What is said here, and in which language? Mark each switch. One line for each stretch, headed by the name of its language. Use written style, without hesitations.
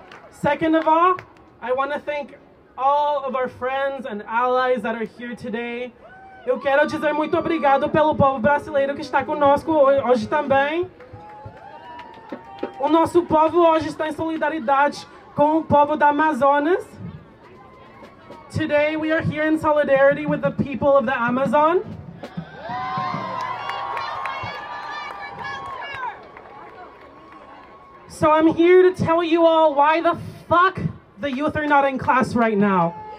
English: Second of all, I want to thank all of our friends and allies that are here today.
Portuguese: Eu quero dizer muito obrigado pelo povo brasileiro que está conosco hoje também. O nosso povo hoje está em solidariedade com o povo da Amazonas.
English: Today we are here in solidarity with the people of the Amazon. So I'm here to tell you all why the fuck the youth are not in class right now.